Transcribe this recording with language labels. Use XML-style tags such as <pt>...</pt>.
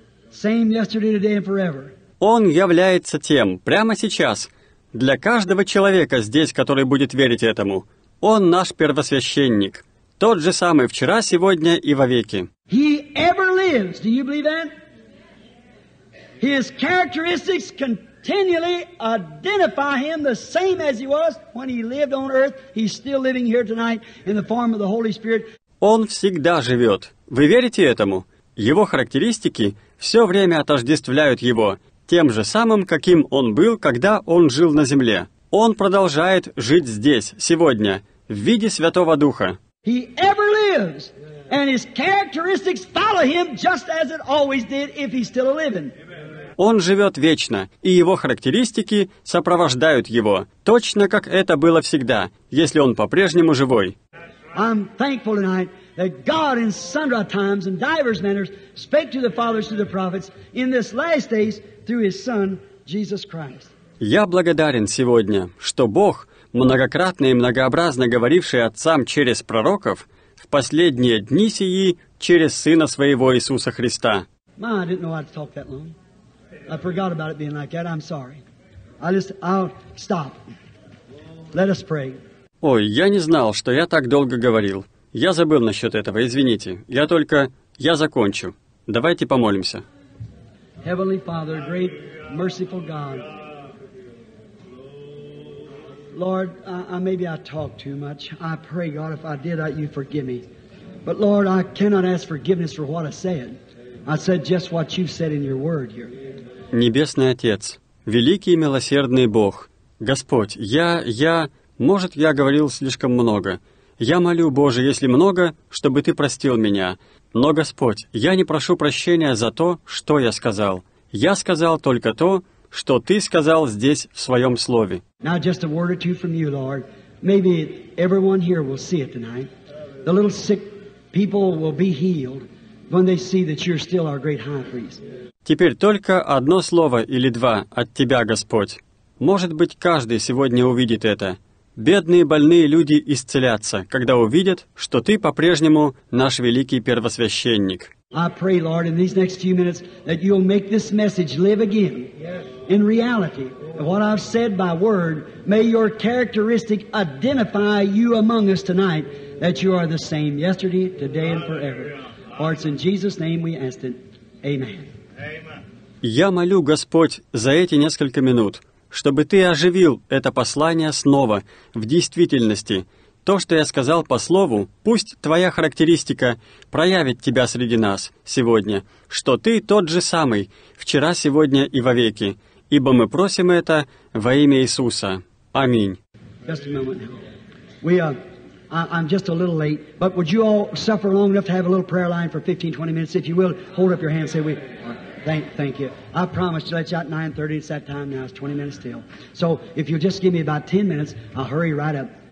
<en>Same yesterday, today, and forever.</en> <ru>Он является тем, прямо сейчас, для каждого человека здесь, который будет верить этому. Он наш первосвященник. Тот же самый вчера, сегодня и вовеки.</ru> <en>He ever lives. Do you believe that? His characteristics continually identify Him the same as He was when He lived on earth. He's still living here tonight in the form of the Holy Spirit.</en> <ru>Он всегда живет. Вы верите этому? Его характеристики все время отождествляют Его тем же самым, каким Он был, когда Он жил на земле. Он продолжает жить здесь, сегодня, в виде Святого Духа.</ru> <en>He ever lives, and His characteristics follow Him just as it always did if He's still living.</en> <ru>Он живет вечно, и Его характеристики сопровождают Его, точно как это было всегда, если Он по-прежнему живой.</ru> <en>I'm thankful tonight that God in sundry times and diverse manners spake to the fathers through the prophets in this last days through His Son, Jesus Christ.</en> <ru>Я благодарен сегодня, что Бог, многократно и многообразно говоривший отцам через пророков, в последние дни сии через Сына Своего Иисуса Христа.</ru> <en>Ma, I didn't know how to talk that long. I forgot about it being like that. I'm sorry. I'll stop. Let us pray.</en> <ru>Ой, я не знал, что я так долго говорил. Я забыл насчет этого, извините. Я закончу. Давайте помолимся.</ru> <en>Heavenly Father, great merciful God. Lord, maybe I talk too much. I pray, God, if I did, you forgive me. But Lord, I cannot ask forgiveness for what I said. I said just what you said in your word here.</en> <ru>Небесный Отец, великий и милосердный Бог, Господь, может, я говорил слишком много. Я молю, Боже, если много, чтобы Ты простил меня. Но, Господь, я не прошу прощения за то, что я сказал. Я сказал только то, что Ты сказал здесь в Своем Слове.</ru> <en>Now just a word or two from you, Lord. Maybe everyone here will see it tonight. The little sick people will be healed when they see that you're still our great high priest.</en> <ru>Теперь только одно слово или два от Тебя, Господь. Может быть, каждый сегодня увидит это. Бедные больные люди исцелятся, когда увидят, что Ты по-прежнему наш великий первосвященник.</ru> <en>I pray, Lord, in these next few minutes, that You'll make this message live again. In reality, what I've said by word, may Your characteristic identify You among us tonight, that You are the same yesterday, today, and forever. For it's in Jesus' name we ask it. Amen.</en> <ru>Я молю, Господь, за эти несколько минут, чтобы Ты оживил это послание снова, в действительности. То, что я сказал по слову, пусть Твоя характеристика проявит Тебя среди нас сегодня, что Ты тот же самый, вчера, сегодня и вовеки, ибо мы просим это во имя Иисуса. Аминь.</ru> <en>I'm just a little late, but would you all suffer long enough to have a little prayer line for 15-20 minutes? If you will, hold up your hand and say, thank you. I promised to let you out at 9:30. It's that time now. It's 20 minutes till. So if you'll just give me about 10 minutes, I'll hurry right up.</en>